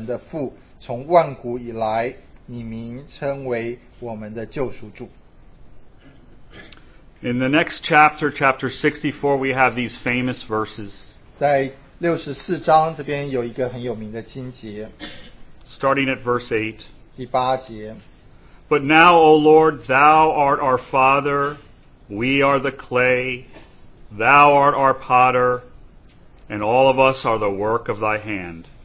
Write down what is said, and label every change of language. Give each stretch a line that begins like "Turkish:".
Chinese: 亚伯拉罕虽然不认识我们，以色列也不承认我们，你却是我们的父，耶和华啊，你是我们的父，从万古以来。
English: In the next chapter, chapter 64, we have these famous verses.
Chinese: 在64章, 这边有一个很有名的经节,
English: starting at verse 8.
Chinese: 第八节,
English: But now, O Lord, thou art our Father, we are the clay, thou art our potter, and all of us are the work of thy hand.